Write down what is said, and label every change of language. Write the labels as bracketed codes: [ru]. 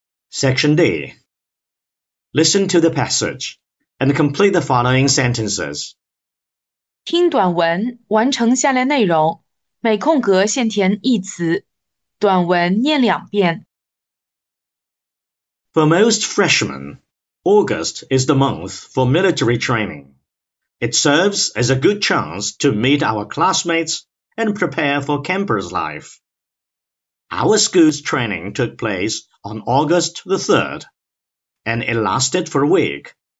[en] Section D. Listen to the passage and complete the following sentences. [zh] 听短文，完成下列内容，每空格先填一词，短文念两遍。 [en] For most freshmen, August is the month for military training. It serves as a good chance to meet our classmates and prepare for campus life. Our school's training took place on August the 3rd, and it lasted for a week.